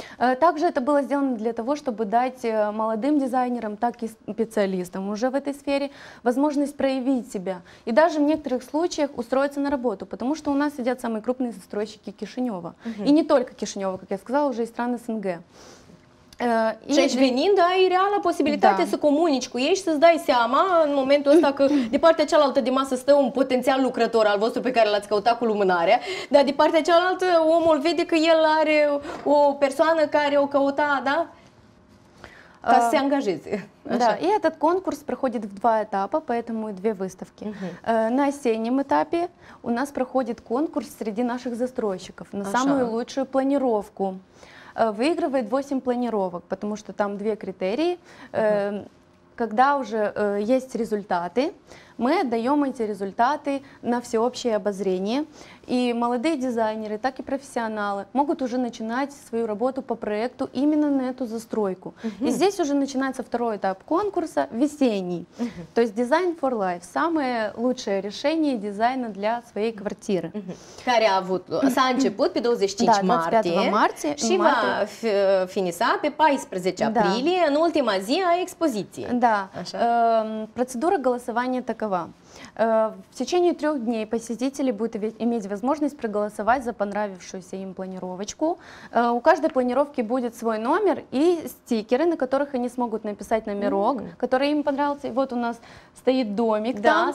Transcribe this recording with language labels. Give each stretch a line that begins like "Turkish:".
Russian: Также это было сделано для того, чтобы дать молодым дизайнерам, так и специалистам уже в этой сфере возможность проявить себя и даже в некоторых случаях устроиться на работу, потому что у нас сидят самые крупные застройщики Кишинева. И не только Кишинева, как я сказала, уже и страны СНГ.
Romanian: Deci venind, da, e reală posibilitatea să comunici cu ei și să-ți dai seama în momentul ăsta că de partea cealaltă de masă stă un potențial lucrător al vostru pe care l-ați căutat cu lumânarea, dar de partea cealaltă omul vede că el are o persoană care o căuta, da? Ca să se angajeze.
Russian: Да, и этот конкурс проходит в два этапа, поэтому и две выставки. На осеннем этапе у нас проходит конкурс среди наших застройщиков на самую лучшую планировку. Выигрывает 8 планировок, потому что там две критерии. Когда уже есть результаты, мы отдаем эти результаты на всеобщее обозрение. И молодые дизайнеры, так и профессионалы могут уже начинать свою работу по проекту именно на эту застройку. И здесь уже начинается второй этап конкурса – весенний. То есть «Design for life» – самое лучшее решение дизайна для своей квартиры.
Romanian: Care a avut, s-a început pe 25 martie și va finisa pe 14 aprilie, în ultima zi a expoziției.
Russian: Da, процедура голосования такова. В течение 3 дней посетители будут иметь возможность проголосовать за понравившуюся им планировочку. У каждой планировки будет свой номер и стикеры, на которых они смогут написать номерок, который им понравился. И вот у нас стоит домик там.